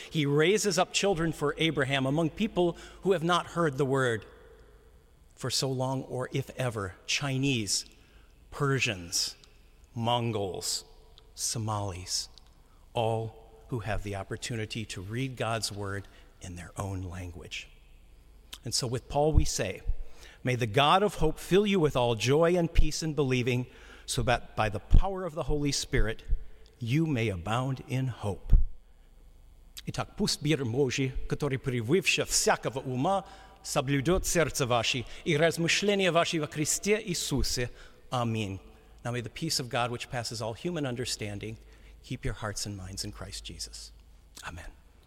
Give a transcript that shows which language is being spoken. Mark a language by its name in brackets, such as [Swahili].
[English] He raises up children for Abraham among people who have not heard the word for so long, or if ever, Chinese, Persians, Mongols, Somalis, all who have the opportunity to read God's word in their own language. And so with Paul we say, may the God of hope fill you with all joy and peace in believing, so that by the power of the Holy Spirit, you may abound in hope. [Russian] Итак, пусть мир Божий, который превыше всякого ума, соблюдет сердце ваше и размышления ваши во Христе Иисусе. Amen. [English] Now may the peace of God, which passes all human understanding, keep your hearts and minds in Christ Jesus. Amen.